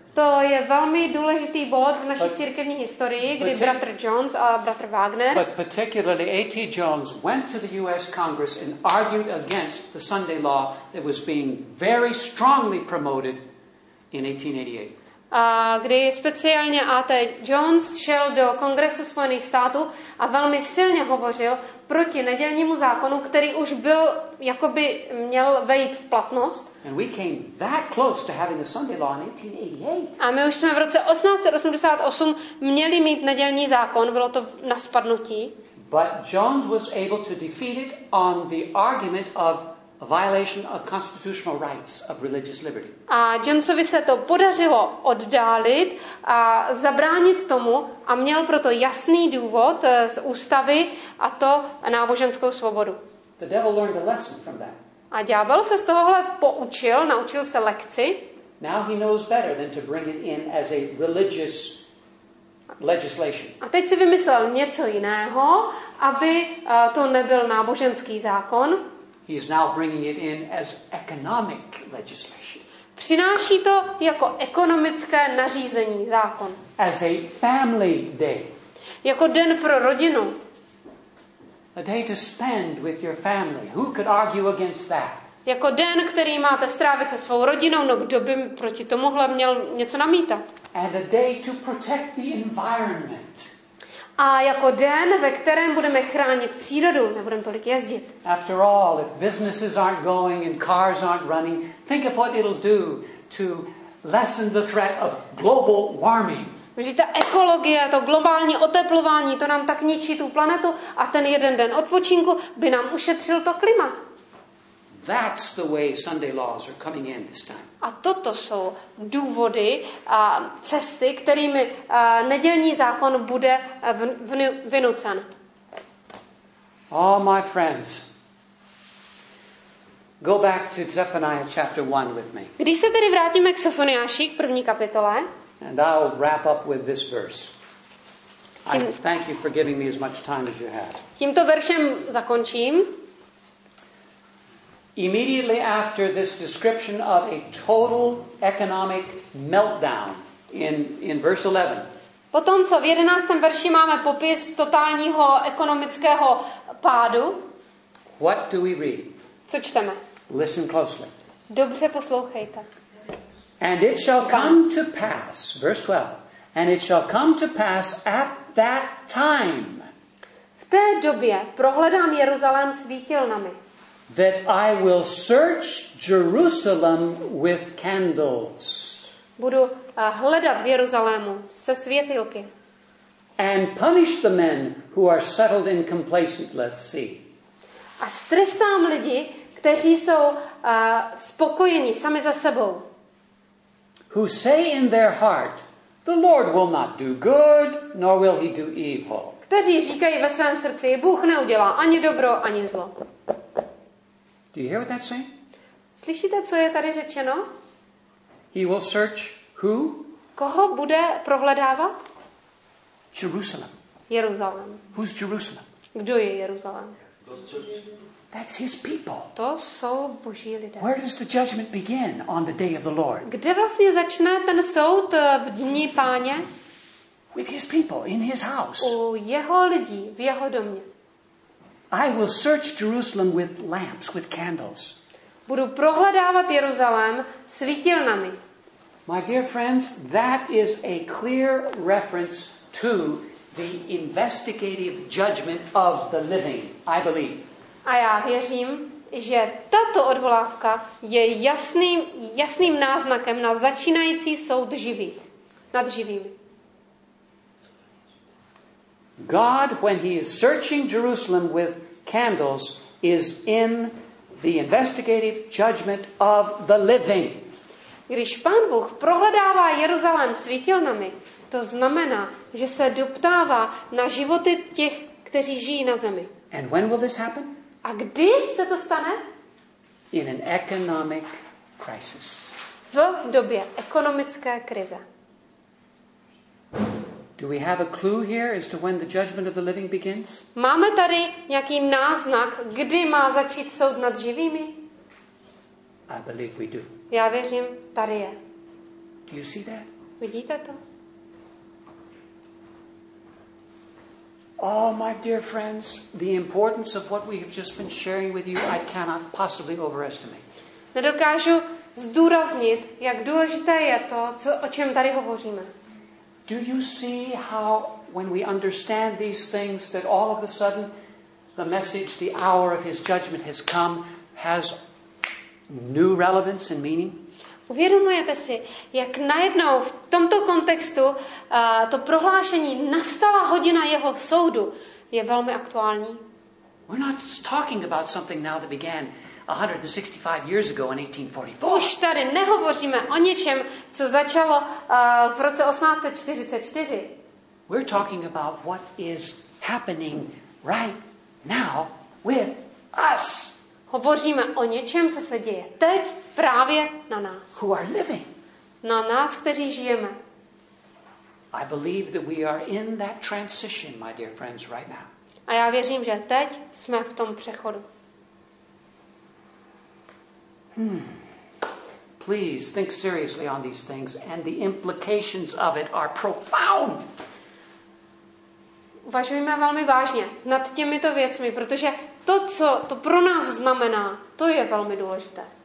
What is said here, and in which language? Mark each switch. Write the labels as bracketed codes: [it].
[cs] To je velmi důležitý bod v naší církevní historii, kdy bratr Jones a bratr Wagner. [en] But particularly A.T. Jones went to the U.S. Congress and argued against the Sunday law that was being very strongly promoted in 1888. [cs] Kdy speciálně A.T. Jones šel do Kongresu Spojených států a velmi silně hovořil proti nedělnímu zákonu, který už byl jakoby měl vejít v platnost. [en] And we came that close to having a Sunday law in 1888. [cs] A my už jsme v roce 1888 měli mít nedělní zákon, bylo to na spadnutí. [en] But Jones was able to defeat it on the argument of a violation of constitutional rights of religious liberty. [cs] A Jonesovi se to podařilo oddálit a zabránit tomu a měl proto jasný důvod z ústavy a to náboženskou svobodu. [en] The devil learned a lesson from that. [cs] A ďábel se z tohohle poučil, naučil se lekci. [en] Now he knows better than to bring it in as a religious legislation. [cs] A teď si vymyslel něco jiného, aby to nebyl náboženský zákon. [en] He is now bringing it in as economic legislation. [cs] Přináší to jako ekonomické nařízení, zákon. [en] As a family day. [cs] Jako den pro rodinu. [en] A day to spend with your family. Who could argue against that? [cs] Jako den, který máte strávit se svou rodinou, no kdo by proti tomuhle měl něco namítat? [en] And a day to protect the environment. [cs] A jako den, ve kterém budeme chránit přírodu, nebudeme tolik jezdit. [en] After all, if businesses aren't going and cars aren't running, think of what it'll do to lessen the threat of global warming. [cs] Že ta ekologie, to globální oteplování, to nám tak ničí tu planetu a ten jeden den odpočinku by nám ušetřil to klima. [en] That's the way Sunday laws are coming in this time. [cs] A toto jsou důvody a cesty, kterými nedělní zákon bude vynucen. [en] Oh, my friends. Go back to Zephaniah chapter 1 with me. [cs] Když se tedy vrátíme k Sofoniáši, k první kapitole. [en] And I'll wrap up with this verse. I thank you for giving me as much time as you had. [cs] Tímto veršem zakončím. [en] Immediately after this description of a total economic meltdown in verse 11. [cs] Potom co v 11. verši máme popis totálního ekonomického pádu. [en] What do we read? [cs] Co čteme? [en] Listen closely. [cs] Dobře poslouchejte. [en] And it shall come to pass, verse 12. And it shall come to pass at that time. [cs] V té době prohledám Jeruzalém svítilnami. [en] That I will search Jerusalem with candles. [cs] Budu hledat v Jeruzalému se světýlky. [en] And punish the men who are settled in complacency. [cs] A stresám lidi, kteří jsou spokojeni sami za sebou. [en] Who say in their heart, the Lord will not do good, nor will he do evil. [cs] Kteří říkají ve svém srdci, Bůh neudělá ani dobro, ani zlo. [en] Do you hear what that's saying? [cs] Slyšíte, co je tady řečeno? [en] He will search who? [cs] Koho bude prohledávat? [en] Jerusalem. [cs] Jeruzalém. [en] Who's Jerusalem? [cs] Kdo je Jeruzalém? [en] That's his people. [cs] To jsou Boží lidé. [en] Where does the judgment begin on the day of the Lord? [cs] Kde vlastně začne ten soud v dní Páně? [en] With his people in his house. [cs] U jeho lidí v jeho domě. [en] I will search Jerusalem with lamps, with candles. [cs] Budu prohledávat Jeruzalém svítilnami. [en] My dear friends, that is a clear reference to the investigative judgment of the living, I believe. [cs] A já věřím, že tato odvolávka je jasným náznakem na začínající soud živých, nad živými. [en] God, when he is searching Jerusalem with candles, is in the investigative judgment of the living. [cs] Když Pán Bůh prohledává Jeruzalém svítilnami, to znamená, že se doptává na životy těch, kteří žijí na zemi. [en] And when will this happen? [cs] A kdy se to stane? [en] In an economic crisis. [cs] V době ekonomické krize. [en] Do we have a clue here as to when the judgment of the living begins? [cs] Máme tady nějaký náznak, kdy má začít soud nad živými? [en] I believe we do. [cs] Já věřím, tady je. [en] Do you see that? [cs] Vidíte to? [en] Oh, my dear friends, the importance of what we have just been sharing with you, I cannot possibly overestimate. [cs] Nedokážu zdůraznit, jak důležité je to, co, o čem tady hovoříme. [en] Do you see how when we understand these things that all of a sudden the message, the hour of his judgment has come, has new relevance and meaning? [cs] Uvědomujete si, jak najednou v tomto kontextu to prohlášení nastala hodina jeho soudu je velmi aktuální? [en] We're not talking about something now that began 165 years ago in 1844. [cs] Už tady nehovoříme o něčem, co začalo v roce 1844. [en] We're talking about what is happening right now with us. [cs] Hovoříme o něčem, co se děje teď právě na nás. [en] Who are living? [cs] Na nás, kteří žijeme. [en] I believe that we are in that transition, my dear friends, right now. [cs] A já věřím, že teď jsme v tom přechodu. [en] Please think seriously on these things, and the implications of it are profound. [cs] Uvažujme velmi vážně nad těmito věcmi, protože to, co to pro nás znamená, to je velmi důležité.